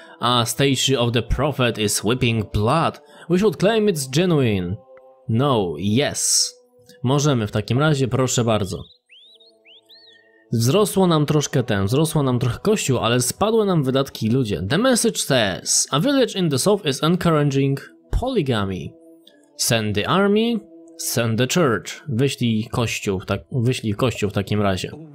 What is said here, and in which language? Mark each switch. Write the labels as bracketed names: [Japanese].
[English] A statue of the prophet is weeping blood. We should claim it's genuine. No, yes. [Polish] Możemy w takim razie, proszę bardzo. Wzrosło nam troszkę ten, wzrosło nam trochę kościół, ale spadły nam wydatki i ludzie. [English] The message says, a village in the south is encouraging polygamy. Send the army, send the church. [Polish] Wyślij kościół w takim razie.